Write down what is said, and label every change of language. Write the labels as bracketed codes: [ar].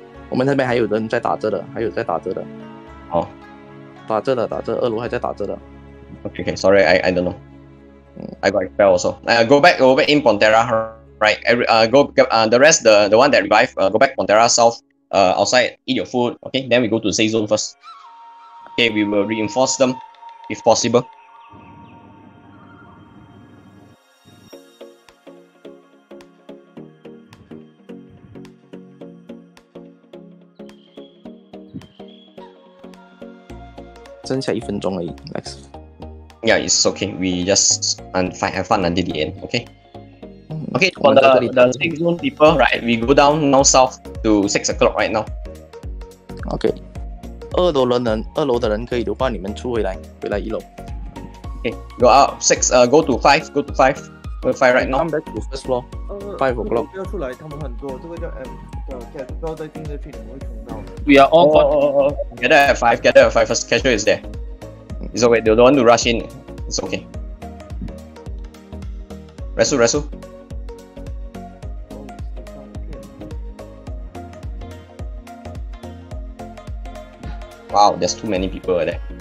[zh] 我们那边还有人在打着的，还有在打着的。哦，打着的，打着，二楼还在打着的。 [en] Okay, sorry, I don't know. I got expelled also. Go back in Pontera. Right, the rest, the one that revived, go back Pontera South, outside, eat your food, okay? Then we go to the safe zone first. Okay, we will reinforce them, if possible. Just [zh] 一分钟而已 Lex. [en] Yeah, it's okay, we just have fun until the end, okay? Okay, for the safe zone people, right, we go down now south to 6 o'clock right now. Okay. [zh] 二楼的人可以留伴你们出回来一楼。 [en] Okay, go up, 6, go to 5, go to 5. Go to 5 right now. Come back to first floor, 5 o'clock. [zh] 不要出来，他们很多，这个叫 M, 不要再进这片，我会冲到。 [en] We are all gone. Gather at 5 first, casual is there. It's okay, they don't want to rush in. It's okay. Resu. Wow, there's too many people there.